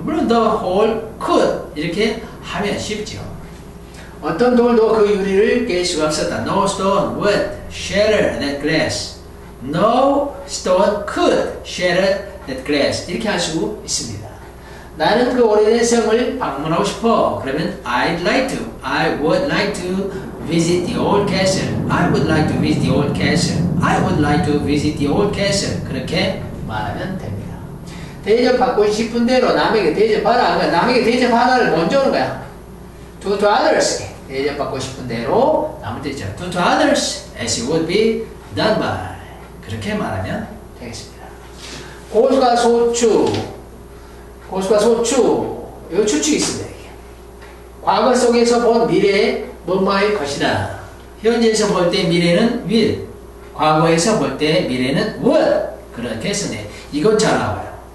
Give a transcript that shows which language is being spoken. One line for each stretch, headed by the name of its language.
Korean: 물론
English: the hall could
Korean: 이렇게 하면 쉽죠. 어떤 돌도 그 유리를 깰 수가 없었다.
English: No stone would shatter that glass. No stone could shatter that glass.
Korean: 이렇게 할 수 있습니다. 나는 그 오래된 성을 방문하고 싶어. 그러면
English: I'd like to. I would like to visit the old castle. I would like to visit the old castle. I would like to visit the old castle.
Korean: 그렇게 말하면 됩니다. 대접받고 싶은 대로 남에게 대접하라. 그러니까 남에게 대접하라를 먼저 오는 거야.
English: Do to others.
Korean: 대접받고 싶은 대로 남을 대접.
English: Do to others as it would be done by.
Korean: 그렇게 말하면 되겠습니다. 고수가 소추. 고수가 소추. 이거 추측이 있습니다. 이게. 과거 속에서 본 미래의 뭔가일 것이다. 현재에서 볼 때 미래는 will. 과거에서 볼 때 미래는 would. 그렇게 쓰네. 이건 잘 나와요.